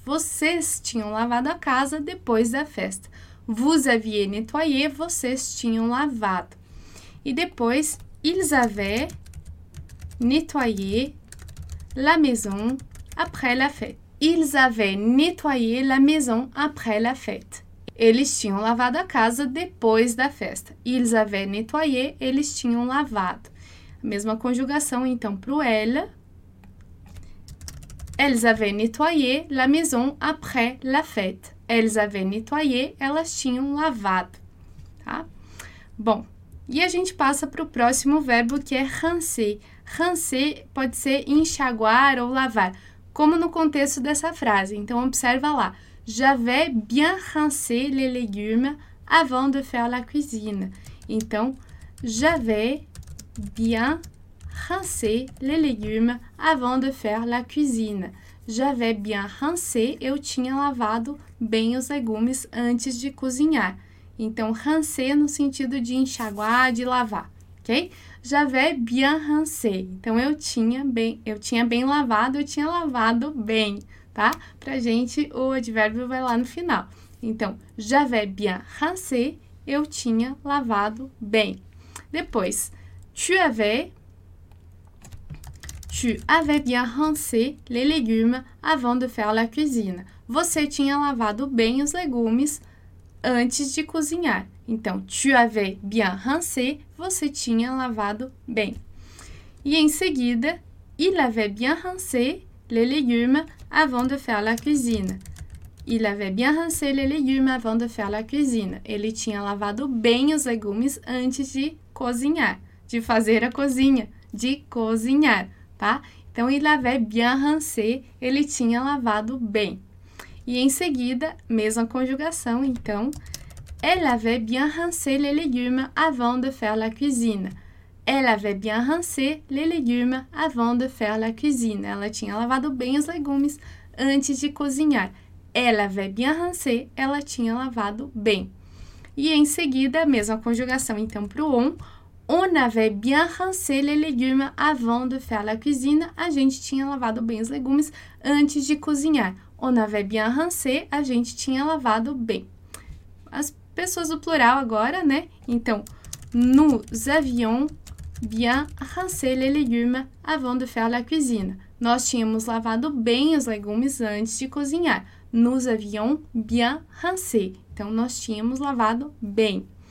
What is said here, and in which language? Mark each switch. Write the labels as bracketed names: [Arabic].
[Portuguese] Vocês tinham lavado a casa depois da festa. [French] Vous aviez nettoyé, [Portuguese] vocês tinham lavado. E depois, [French] ils avaient nettoyé la maison après la fête. Ils avaient nettoyé la maison après la fête. [Portuguese] Eles tinham lavado a casa depois da festa. [French] Ils avaient nettoyé, [Portuguese] eles tinham lavado. Mesma conjugação, então, para o elle. [French] Elles avaient nettoyé la maison après la fête. Elles avaient nettoyé, [Portuguese] elas tinham lavado. Tá? Bom, e a gente passa para o próximo verbo, que é rincer. Rincer pode ser enxaguar ou lavar, como no contexto dessa frase. Então, observa lá. [French] J'avais bien rincé les légumes avant de faire la cuisine. [Portuguese] Então, [French] j'avais bien rincé les légumes avant de faire la cuisine. J'avais bien rincé, [Portuguese] eu tinha lavado bem os legumes antes de cozinhar. Então, rincer no sentido de enxaguar, de lavar. Ok? [French] J'avais bien rincé. [Portuguese] Então, eu tinha lavado bem, tá? Pra gente, o advérbio vai lá no final. Então, [French] j'avais bien rincé, [Portuguese] eu tinha lavado bem. Depois, [French] tu avais bien rincé les légumes avant de faire la cuisine. [Portuguese] Você tinha lavado bem os legumes antes de cozinhar. Então, [French] tu avais bien rincé, [Portuguese] você tinha lavado bem. E em seguida, [French] il avait bien rincé les légumes avant de faire la cuisine. Il avait bien rincé les légumes avant de faire la cuisine. [Portuguese] Ele tinha lavado bem os legumes antes de cozinhar, de fazer a cozinha, de cozinhar, tá? Então, [French] il avait bien rincé, [Portuguese] ele tinha lavado bem. E em seguida, mesma conjugação, então, [French] elle avait bien rincé les légumes avant de faire la cuisine. Elle avait bien rincé les légumes avant de faire la cuisine. [Portuguese] Ela tinha lavado bem os legumes antes de cozinhar. [French] Elle avait bien rincé, [Portuguese] ela tinha lavado bem. E em seguida, mesma conjugação, então, para o on. [French] On avait bien rincé les légumes avant de faire la cuisine. [Portuguese] A gente tinha lavado bem os legumes antes de cozinhar. [French] On avait bien rincé, [Portuguese] a gente tinha lavado bem. as pessoas do plural agora, né? Então, [French] nous avions bien rincé les légumes avant de faire la cuisine. [Portuguese] Nós tínhamos lavado bem os legumes antes de cozinhar. [French] Nous avions bien rincé. [Portuguese] Então, nós tínhamos lavado bem.